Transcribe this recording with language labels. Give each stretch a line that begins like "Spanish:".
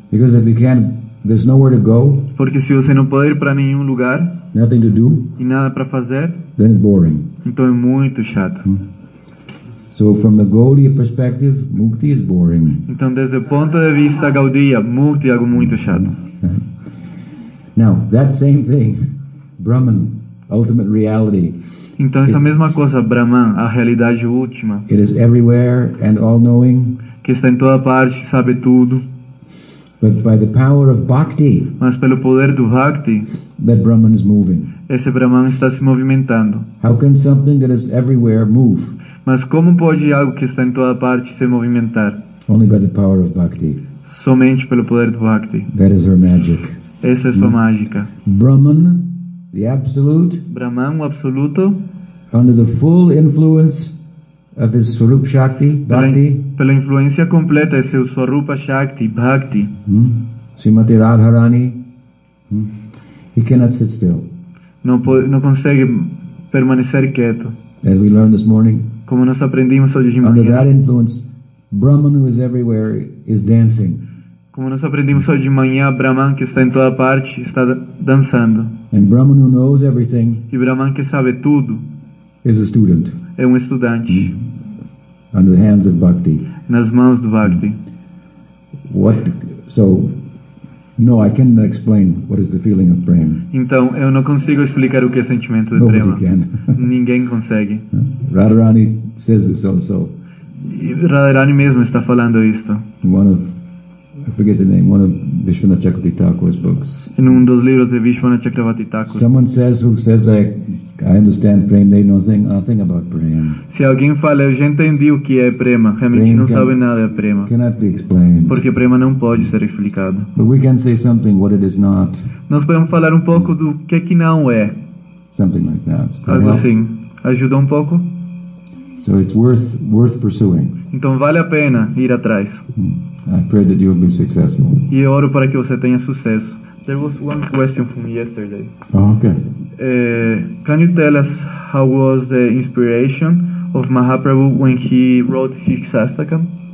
English: Because if you can't, there's nowhere to go.
Portuguese: Porque se você não pode ir para nenhum lugar.
English: Nothing to do.
Portuguese: E nada para fazer.
English: Then it's boring.
Portuguese: Então é muito chato. Hmm?
English: So from the Gaudiya perspective, mukti is boring.
Portuguese: Então desde o ponto de vista Gaudiya, mukti é algo muito chato.
English: Now that same thing. Brahman, ultimate reality.
Portuguese: Então essa mesma coisa, Brahman, a realidade última.
English: It is everywhere and all knowing.
Portuguese: Que está em toda parte, sabe tudo.
English: But by the power of bhakti.
Portuguese: Mas pelo poder do bhakti.
English: That Brahman is moving.
Portuguese: Esse Brahman está se movimentando.
English: How can something that is everywhere move?
Portuguese: Mas como pode algo que está em toda parte se movimentar?
English: Only by the power of bhakti.
Portuguese: Somente pelo poder do bhakti.
English: That is her magic.
Portuguese: Essa é sua mágica.
English: Brahman. The absolute,
Portuguese: Brahman, o absoluto,
English: under the full influence of his Swarup Shakti, Bhakti,
Portuguese: pela influência completa de seu Swarupa Shakti, Bhakti,
English: Srimati Radharani, he cannot sit still.
Portuguese: Não consegue permanecer quieto.
English: As we learned this morning,
Portuguese: como nós aprendemos hoje de manhã,
English: under that influence, Brahman, who is everywhere, is dancing.
Portuguese: Como nós aprendemos hoje de manhã, Brahman, que está em toda parte, está dançando.
English: And Brahman, who knows everything,
Portuguese: e Brahman, que sabe tudo,
English: is a student.
Portuguese: É um estudante.
English: Under the hands of bhakti.
Portuguese: Nas mãos do bhakti.
English: What? So, no, I cannot explain what is the feeling of prema.
Portuguese: Então, eu não consigo explicar o que é sentimento de prema.
English: Nobody can.
Portuguese: Ninguém consegue.
English: Radharani says this also.
Portuguese: Radharani mesmo está falando isto.
English: I forget the name, one of Vishwanath Chakravarti Thakur's books.
Portuguese: In um dos livros de Vishwanath Chakravarti Thakur.
English: Someone says, who says, I understand prema, they know nothing about prema.
Portuguese: Se alguém fala, eu já entendi o que é prema, realmente prema não sabe nada de prema.
English: Cannot be explained.
Portuguese: Porque prema não pode ser explicado.
English: But we can say something, what it is not.
Portuguese: Nós podemos falar um pouco do que não é.
English: Something like that.
Portuguese: Algo assim. Ajuda um pouco?
English: So it's worth pursuing.
Portuguese: Então vale a pena ir atrás.
English: I pray that you will be successful.
Portuguese: E eu oro para que você tenha sucesso.
English: There was one question from yesterday. Oh, okay. Can you tell us how was the inspiration of Mahaprabhu when he wrote his Shastakam?